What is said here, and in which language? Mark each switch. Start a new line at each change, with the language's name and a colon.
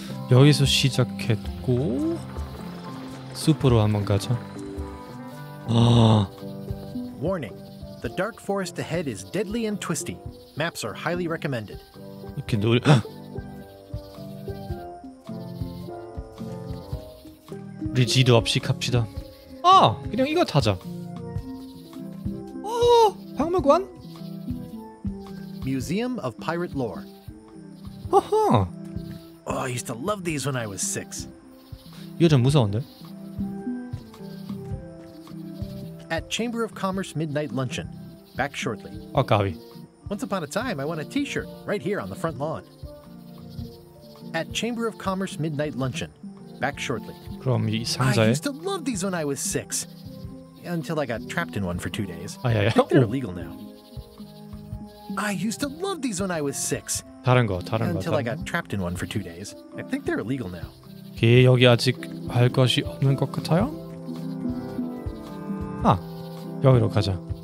Korean: 여기서 시작했고 숲으로 한번 가자. 아.
English: Warning. The dark forest ahead is deadly and twisty. Maps are highly recommended.
Korean: 이렇게 노래... 우리 지도 없이 갑시다. 아, 그냥 이거 타자. 오, 박물관?
English: Museum of Pirate Lore. 허허. Oh, I used to love these when I was six.
Korean: 이거 좀 무서운데?
English: At Chamber of Commerce Midnight Luncheon. Back shortly.
Korean: 아, 가위.
English: Once upon a time, I won a t-shirt right here on the front lawn. At Chamber of Commerce Midnight Luncheon. Back shortly.
Korean: 그럼 이 상자에?
English: I used to love these when I was six. Until I got trapped in one for 2 days. 아야야. I think they're illegal now. I used to love these when I was six.
Korean: 다른 거, 다른 거.
English: Until I got trapped in one for 2 days. I think they're illegal now.
Korean: 그 여기 아직 할 것이 없는 것 같아요? 아, 여기로 가자.